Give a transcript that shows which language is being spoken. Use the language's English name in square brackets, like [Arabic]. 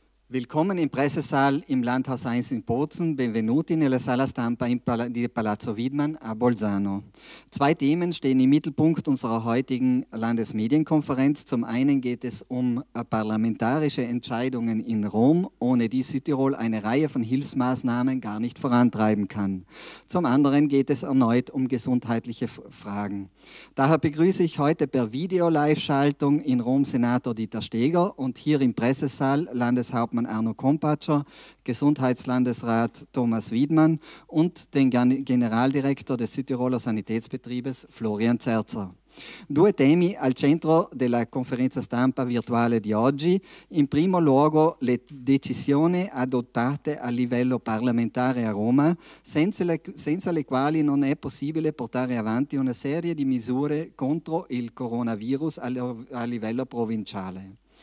[German] Willkommen im Pressesaal im Landhaus 1 in Bozen. [Italian] Benvenuti nella sala stampa in Palazzo Widmann a Bolzano. [German] Zwei Themen stehen im Mittelpunkt unserer heutigen Landesmedienkonferenz. Zum einen geht es um parlamentarische Entscheidungen in Rom, ohne die Südtirol eine Reihe von Hilfsmaßnahmen gar nicht vorantreiben kann. Zum anderen geht es erneut um gesundheitliche Fragen. Daher begrüße ich heute per Video-Live-Schaltung in Rom Senator Dieter Steger und hier im Pressesaal Landeshauptmann Arno Kompatscher, Gesundheitslandesrat Thomas Widmann und den Generaldirektor des Südtiroler Sanitätsbetriebes Florian Zerzer. [Italian] Due temi al centro della conferenza stampa virtuale di oggi. In primo luogo le decisioni adottate a livello parlamentare a Roma, senza le quali non è possibile portare avanti una serie di misure contro il coronavirus a livello provinciale.